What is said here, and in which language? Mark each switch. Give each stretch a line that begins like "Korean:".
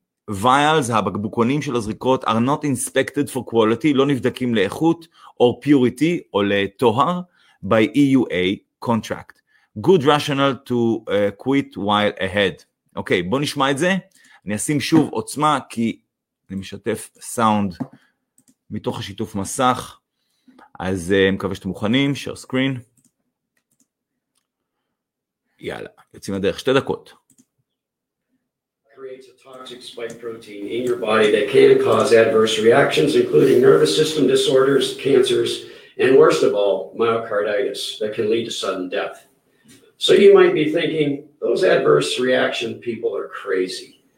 English: Vials,
Hebrew: הבקבוקונים של הזריקות,
English: are not inspected for quality,
Hebrew: לא נבדקים לאיכות,
English: or purity,
Hebrew: או לתוהר,
English: by EUA contract. Good rationale to quit while ahead.
Hebrew: אוקיי, בוא נשמע את זה. אני אשים שוב עוצמה, כי אני משתף סאונד מתוך השיתוף מסך. אז מקווה שאתם מוכנים, share screen. יאללה, יוצאים לדרך, שתי דקות.
English: Creates a toxic spike protein in your body that can cause adverse reactions, including nervous system disorders, cancers, and worst of all, myocarditis, that can lead to sudden death. So you might be thinking, those adverse reaction people are crazy.